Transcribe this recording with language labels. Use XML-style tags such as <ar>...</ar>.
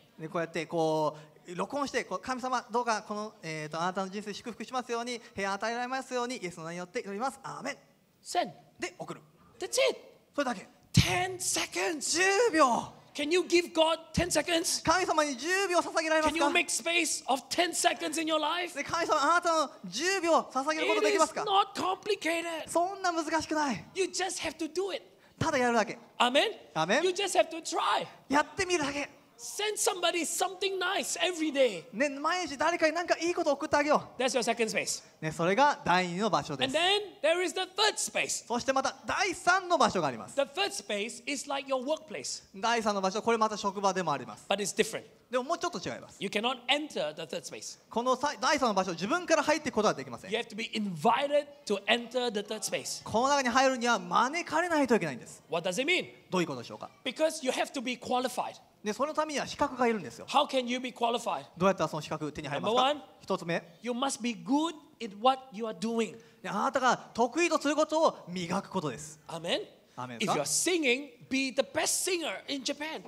<ja>でこうやってこう録音してこう神様どうかこのあなたの人生祝福しますように平安与えられますようにイエスの名によって祈ります。アーメン。</ja> <en>Send.</en> <ja>で送る。</ja> <en>That's it.</en> <ja>それだけ。</ja> <en>10 seconds.</en> <ja>10秒。</ja> <en>Can you give God 10 seconds?</en> <ja>神様に10秒捧げられますか?</ja> <en>Can you make space of 10 seconds in your life?</en> <ja>神様、あなたの10秒捧げることできますか?</ja> <en>It is not complicated.</en> <ja>そんな難しくない。</ja> <en>You just have to do it.</en> <ja>ただやるだけ。</ja> <en>Amen? Amen? You just have to try.</en> <ja>やってみるだけ。</ja> <en>Send somebody something nice every day.</en> <ja>ね、毎日誰かに何かいいことを送ってあげよう。</ja> <en>That's your second space.</en> <ja>ね、それが第二の場所です。</ja> <en>And then there is the third space.</en> <ja>そしてまた第三の場所があります。</ja> <en>The third space is like your workplace.</en> <ja>第三の場所、これまた職場でもあります。</ja> <en>But it's different.</en> <ja>でももうちょっと違います。</ja> <en>You cannot enter the third space.</en> <ja>この第三の場所、自分から入っていくことはできません。</ja> <en>You have to be invited to enter the third space.</en> <ja>この中に入るには招かれないといけないんです。</ja> <en>What does it mean?</en> <ja>どういうことでしょうか?</ja> <en>Because you have to be qualified.</en> <ja>でそのためには資格がいるんですよ。</ja> <en>How can you be qualified?</en> <ja>どうやったらその資格手に入りますか</ja> <en>？Number one,</en> <ja>一つ目。</ja> <en>You must be good at what you are doing.</en> <ja>あなたが得意とすることを磨くことです。</ja> <en>Amen. If you are singing, be the best singer in Japan.</en>